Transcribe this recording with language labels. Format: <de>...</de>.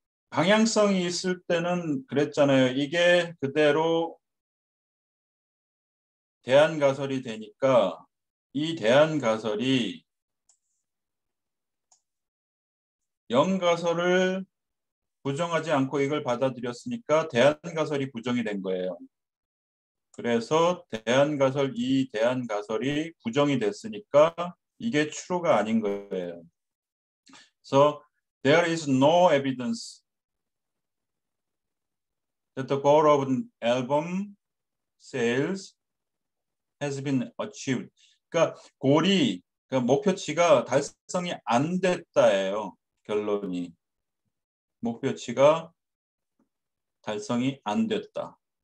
<ko>방향성이 있을 때는 그랬잖아요. 이게 그대로 대안 가설이 되니까 이 대안 가설이 0 가설을 부정하지 않고 이걸 받아들였으니까 대안가설이 부정이 된 거예요. 그래서 대안가설, 이 대안가설이 부정이 됐으니까 이게 true가 아닌 거예요.</ko> <en>So there is no evidence that the goal of an album sales has been achieved.</en> <ko>그러니까 골이, 그러니까 목표치가 달성이 안 됐다예요. 결론이. 목표치가 달성이 안 됐다.</ko>